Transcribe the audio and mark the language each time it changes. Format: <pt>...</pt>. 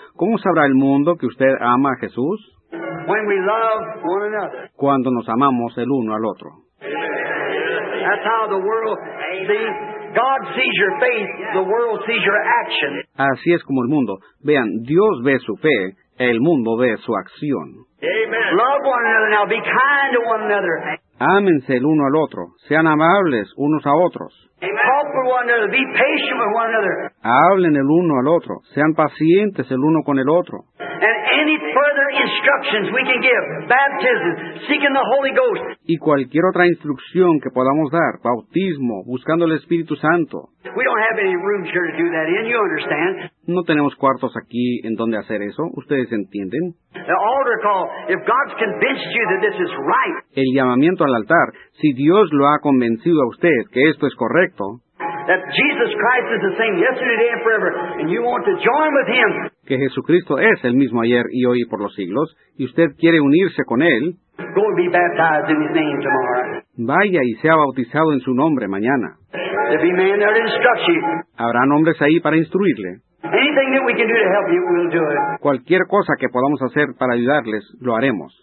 <es>¿Cómo sabrá el mundo que usted ama a Jesús?</es> <en>When we love one another.</en> <es>Cuando nos amamos el uno al otro.</es> <en>That's how the world sees. God sees your faith. The world sees your action.</en> <es>Así es como el mundo. Vean, Dios ve su fe. El mundo ve su acción.</es> <en>Amen. Love one another now. Be kind to one another.</en> <es>Ámense el uno al otro. Sean amables unos a otros.</es> <en>Help one another. Be patient with one another.</en> <es>Hablen el uno al otro. Sean pacientes el uno con el otro.</es> <en>And any further instructions we can give, baptism, seeking the Holy Ghost.</en> <es>Y cualquier otra instrucción que podamos dar, bautismo, buscando el Espíritu Santo.</es> <en>We don't have any rooms here to do that in, you understand?</en> <es>No tenemos cuartos aquí en donde hacer eso, ¿ustedes entienden?</es> <en>The altar call, if God's convinced you that this is right.</en> <es>El llamamiento al altar, si Dios lo ha convencido a usted que esto es correcto.</es> <en>That Jesus Christ is the same yesterday, today, and forever, and you want to join with him.</en> <es>Que Jesucristo es el mismo ayer y hoy y por los siglos, y usted quiere unirse con él.</es> <en>Go and be baptized in his name tomorrow.</en> <es>Vaya y sea bautizado en su nombre mañana.</es> <en>There'll be men there to instruct you.</en> <es>Habrán hombres ahí para instruirle.</es> <en>Anything that we can do to help you, we'll do it.</en> <es>Cualquier cosa que podamos hacer para ayudarles, lo haremos.</es>